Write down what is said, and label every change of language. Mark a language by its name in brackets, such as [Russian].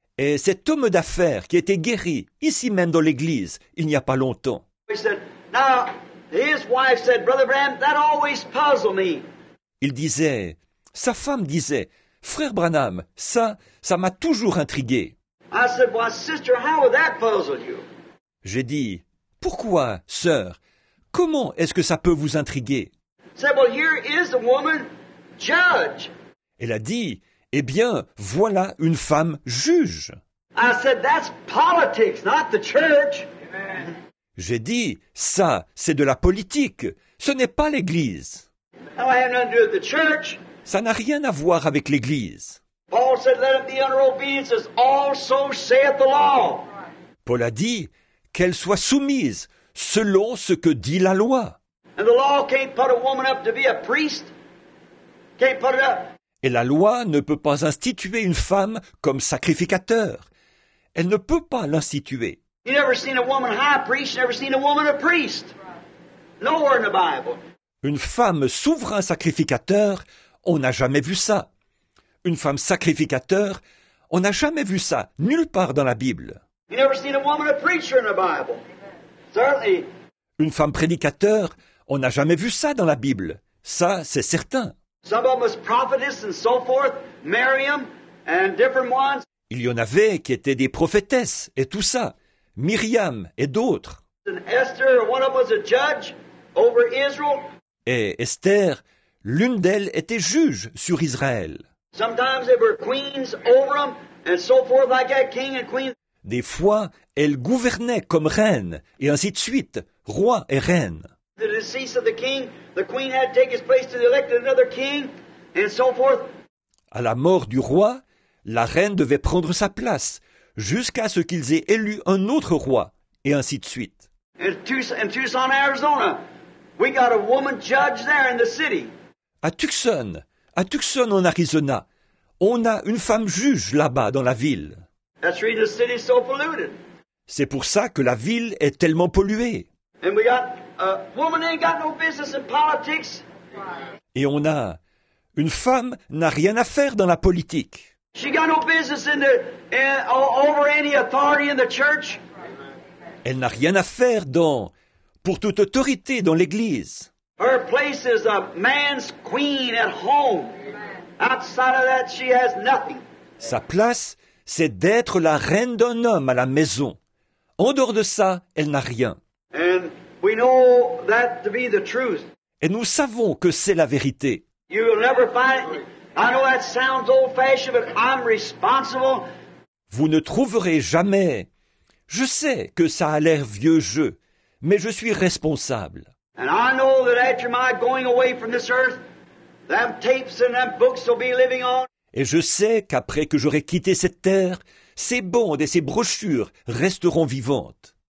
[French] Et cet homme d'affaires qui était guéri ici même dans l'église il n'y a pas longtemps. [English] He said, now, his wife said, Brother Branham, that always puzzled me. [French] Il disait, sa femme disait, Frère Branham, ça m'a toujours intrigué. [English] I said, well, sister, how would that puzzle you? [French] J'ai dit, pourquoi, sœur, comment est-ce que ça peut vous intriguer? [English] Said, well, here is a woman, judge. [French] Elle a dit, eh bien, voilà une femme juge. [English] I said, that's politics, not the church. [French] J'ai dit, ça, c'est de la politique, ce n'est pas l'Église. [English] I have nothing to do with the church. [French] Ça n'a rien à voir avec l'Église. [English] Paul said, let them be under obedience, as also saith the law. [French] Paul a dit, qu'elle soit soumise selon ce que dit la loi. [English] And the law can't put a woman up to be a priest. Can't put it up. [French] Et la loi ne peut pas instituer une femme comme sacrificateur. Elle ne peut pas l'instituer. [English] You never seen a woman high priest, you never seen a woman a priest. Nowhere in the Bible. [French] Une femme souverain sacrificateur, on n'a jamais vu ça. Une femme sacrificateur, on n'a jamais vu ça, nulle part dans la Bible. [English] You never seen a woman a preacher in the Bible. Certainly. [French] Une femme prédicateur, on n'a jamais vu ça dans la Bible. Ça, c'est certain. [English] Some of them was prophetess and so forth, Miriam and different ones. [French] Il y en avait qui étaient des prophétesses et tout ça, Myriam et d'autres. [English] And Esther, one of them was a judge over Israel. [French] Et Esther, l'une d'elles était juge sur Israël. [English] Sometimes they were queens over them and so forth like that, king and queen. [French] Des fois, elle gouvernait comme reine, et ainsi de suite, roi et reine. [English] The decease of the king, the queen had to take his place to the elect of another king, and so forth. [French] À la mort du roi, la reine devait prendre sa place, jusqu'à ce qu'ils aient élu un autre roi, et ainsi de suite. [English] In Tucson, Arizona, we got a woman judge there in the city. [French] À Tucson, en Arizona, on a une femme juge là-bas dans la ville. [English] That's why the city is so polluted. [French] C'est pour ça que la ville est tellement polluée. [English] And we got a woman ain't got no business in politics. [French] Et on a une femme n'a rien à faire dans la politique. [English] She got no business over any authority in the church. [French] Elle n'a rien à faire pour toute autorité dans l'église. [English] Her place is a man's queen at home. Outside of that, she has nothing. [French] Sa place, c'est d'être la reine d'un homme à la maison. En dehors de ça, elle n'a rien. [English] And we know that to be the truth. [French] Et nous savons que c'est la vérité. [English] You will never find, I know that sounds old-fashioned, but I'm responsible. [French] Vous ne trouverez jamais. Je sais que ça a l'air vieux jeu, mais je suis responsable. [English] And I know that after my going away from this earth, them tapes and them books will be living on. [French] Et je sais qu'après que j'aurai quitté cette terre, ces bandes et ces brochures resteront vivantes.